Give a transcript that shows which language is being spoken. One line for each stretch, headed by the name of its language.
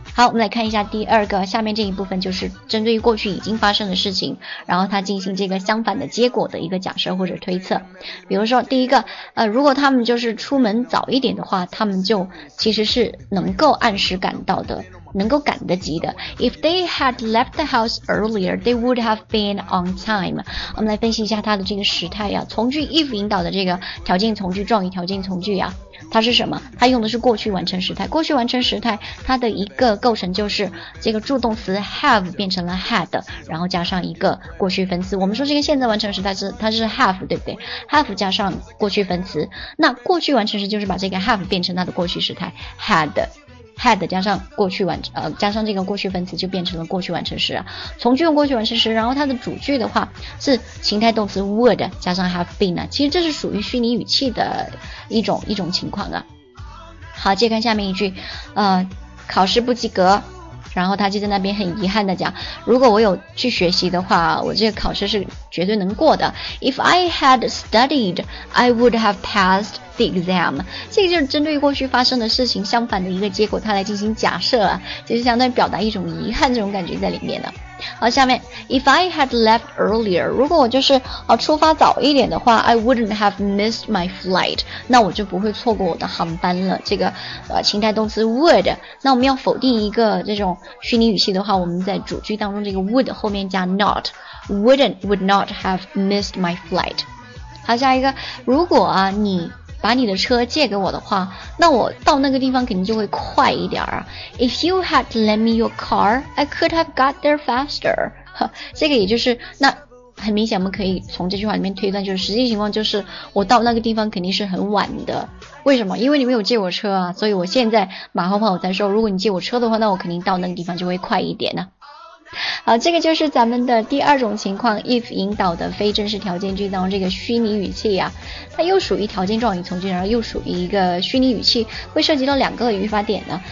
Chinese: 好，我们来看一下第二个，下面这一部分就是针对于过去已经发生的事情，然后它进行这个相反的结果的一个假设或者推测。比如说第一个如果他们就是出门早一点的话，他们就其实是能够按时赶到的，能够赶得及的。
English: If they had left the house earlier, they would have been on time。
Chinese: 我们来分析一下它的这个时态啊，从句 if 引导的这个条件从句，状语条件从句啊，它是什么？它用的是过去完成时态。过去完成时态它的一个构成就是这个助动词 have 变成了 had， 然后加上一个过去分词。我们说这个现在完成时它是 have， 对不对？have 加上过去分词，那过去完成时就是把这个 have 变成它的过去时态 had。 had 加上过去完加上这个过去分词就变成了过去完成时，从句用过去完成时，然后它的主句的话是情态动词 would 加上 have been， 其实这是属于虚拟语气的一种情况啊。好，接看下面一句，考试不及格，然后他就在那边很遗憾的讲，如果我有去学习的话，我这个考试是绝对能过的。
English: If I had studied, I would have passed the exam。
Chinese: 这个就是针对过去发生的事情相反的一个结果，他来进行假设啊，就是相当于表达一种遗憾这种感觉在里面的。好，下面 ，
English: If I had left earlier，
Chinese: 如果我就是出发早一点的话 ，
English: I wouldn't have missed my flight，
Chinese: 那我就不会错过我的航班了。这个情态动词 would， 那我们要否定一个这种虚拟语气的话，我们在主句当中这个 would 后面加 not，
English: would not have missed my flight。
Chinese: 好，下一个，如果啊你把你的车借给我的话，那我到那个地方肯定就会快一点啊。
English: If you had lent me your car, I could have got there faster。
Chinese: 这个也就是，那很明显我们可以从这句话里面推断，就是实际情况就是我到那个地方肯定是很晚的。为什么？因为你没有借我车啊，所以我现在马后炮我在说，如果你借我车的话，那我肯定到那个地方就会快一点呢、啊。好，这个就是咱们的第二种情况 if 引导的非正式条件句当中这个虚拟语气啊，它又属于条件状语从句，然后又属于一个虚拟语气，会涉及到两个语法点呢。